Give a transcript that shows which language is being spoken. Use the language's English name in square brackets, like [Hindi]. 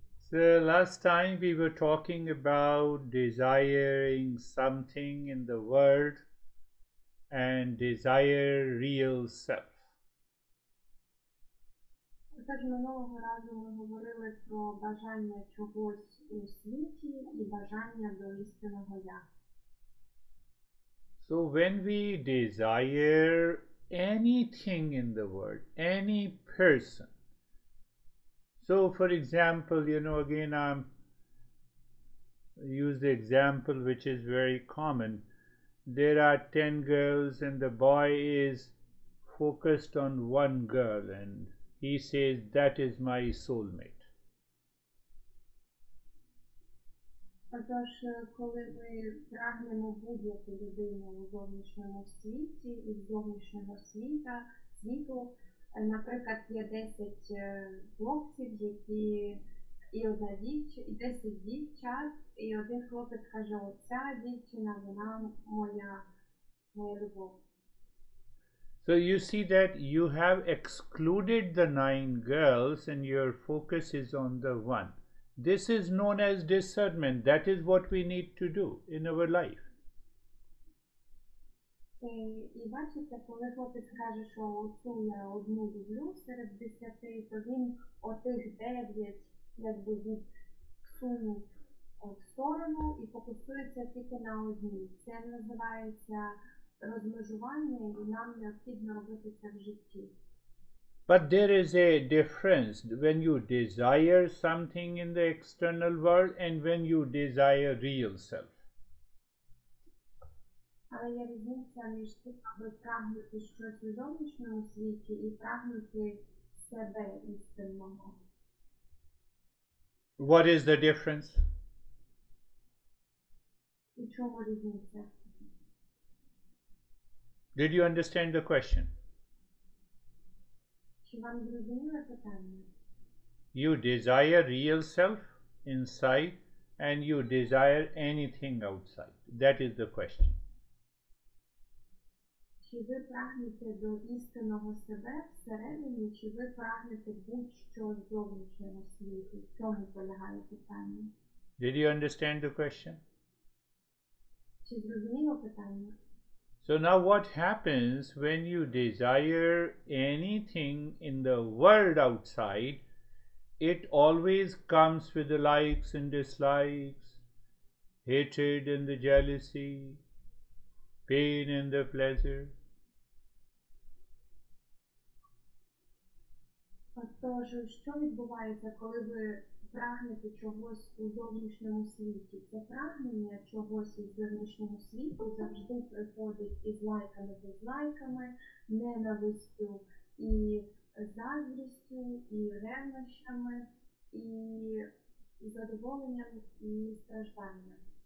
[English] The last time we were talking about desiring something in the world and desire real self. [Ukrainian] Також минулого разу ми говорили про бажання чогось у світі і бажання до істинного я. [English] So when we desire anything in the world, any person. So, for example, you know, again, I'm use the example which is very common. There are 10 girls and the boy is focused on one girl and he says, that is my soulmate. [Ukrainian] Отож, коли ми прагнемо будь-яку людину у зовнішньому світі, із зовнішнього світу, наприклад, є 10 хлопців, які і одна дівчина, і 10 дівчат, і один хлопець каже, оця дівчина, вона моя любов. [English] So you see that you have excluded the 9 girls and your focus is on the one. This is known as discernment. That is what we need to do in our life. [Ukrainian] І бачите, коли хлопець каже, що оцю я одну люблю серед 10, то він отих 9 якби відсунув в сторону і фокусується тільки на одній. Це називається розмежування, і нам необхідно робити це в житті. [English] But there is a difference when you desire something in the external world and when you desire real self. [Ukrainian] Але є різниця між тим, аби прагнути щось у зовнішньому світі і прагнути себе істинного. [English] What is the difference? [Ukrainian] У чому різниця? [English] Did you understand the question? [Ukrainian] Чи вам зрозуміло питання? [English] You desire real self inside and you desire anything outside. That is the question. [Ukrainian] Чи ви прагнете до істинного себе всередині, чи ви прагнете будь-що зовнішнього світу? В чому полягає питання? [English] Did you understand the question? [Ukrainian] Чи зрозуміло питання? [English] So now what happens when you desire anything in the world outside, it always comes with the likes and dislikes, hatred and the jealousy, pain and the pleasure. [Ukrainian] Отож, що відбувається, коли ви прагнете чогось у зовнішньому світі? Це прагнення чогось у зовнішньому світі завжди приходить із лайками, дизлайками, ненавистю і заздрістю, і ревнощами, і задоволенням, і стражданням.